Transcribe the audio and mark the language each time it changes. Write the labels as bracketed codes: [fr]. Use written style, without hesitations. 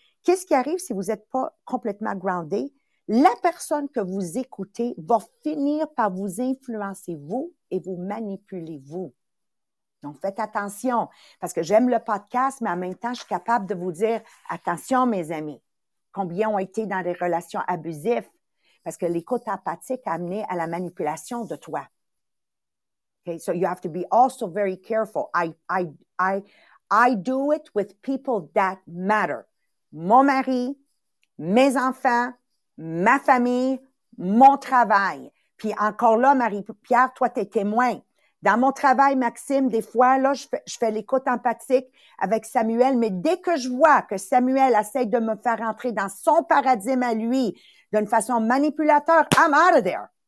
[fr] Qu'est-ce qui arrive si vous n'êtes pas complètement groundé? La personne que vous écoutez va finir par vous influencer, vous, et vous manipuler, vous. Donc, faites attention, parce que j'aime le podcast, mais en même temps, je suis capable de vous dire, attention, mes amis, combien ont été dans des relations abusives, parce que l'écoute empathique a amené à la manipulation de toi. [en] Okay, so you have to be also very careful. I do it with people that matter. [fr] Mon mari, mes enfants, ma famille, mon travail. Puis encore là, Marie-Pierre, toi, t'es témoin. Dans mon travail, Maxime, des fois, là, je fais l'écoute empathique avec Samuel, mais dès que je vois que Samuel essaie de me faire entrer dans son paradigme à lui d'une façon manipulateur, [en] I'm out of there.